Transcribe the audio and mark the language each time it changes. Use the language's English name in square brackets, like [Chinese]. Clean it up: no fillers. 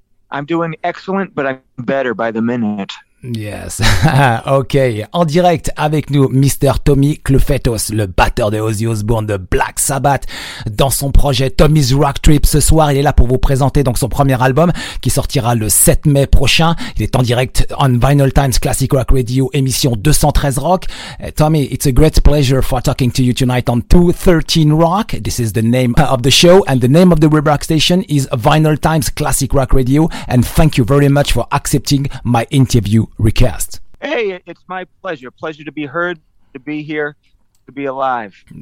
[English] I'm doing excellent, but I'm better by the minute. [French] Yes, ok, en direct avec nous, Mr. Tommy Clufetos, le batteur de Ozzy Osbourne de Black Sabbath, dans son projet Tommy's Rock Trip. Ce soir, il est là pour vous présenter donc son premier album qui sortira le 7 mai prochain. Il est en direct on Vinyl Times Classic Rock Radio, émission 213 Rock. [English] Tommy, it's a great pleasure for talking to you tonight on 213 Rock. This is the name of the show and the name of the web rock station is Vinyl Times Classic Rock Radio, and thank you very much for accepting my interview request. Hey, it's my pleasure. Pleasure to be heard, to be here, to be alive.